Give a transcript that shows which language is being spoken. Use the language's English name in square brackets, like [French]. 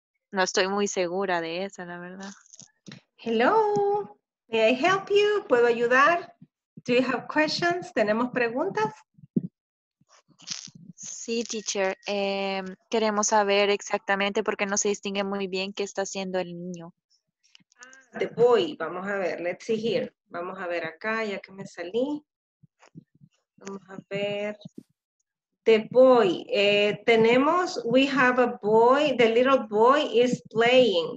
[Spanish] No estoy muy segura de esa, la verdad. [English] Hello, may I help you? [Spanish] ¿Puedo ayudar? [English] Do you have questions? [Spanish] ¿Tenemos preguntas? Sí, teacher. Queremos saber exactamente porque no se distingue muy bien qué está haciendo el niño. [English] The boy, [Spanish] vamos a ver, [English] let's see here. [Spanish] Vamos a ver acá, ya que me salí. Vamos a ver. [English] The boy, [Spanish] tenemos, [English] we have a boy, the little boy is playing.